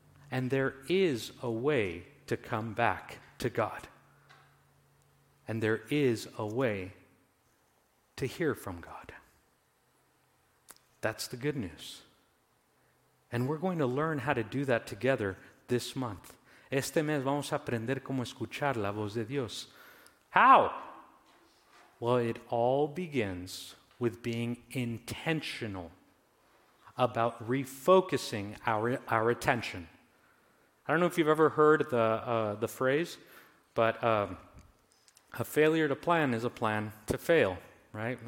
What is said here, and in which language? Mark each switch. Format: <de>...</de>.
<en>And there is a way to come back to God. And there is a way to hear from God. That's the good news. And we're going to learn how to do that together this month.</en> <es>Este mes vamos a aprender cómo escuchar la voz de Dios.</es> <en>How? Well, it all begins with being intentional about refocusing our attention. I don't know if you've ever heard the phrase, but a failure to plan is a plan to fail, right?</en>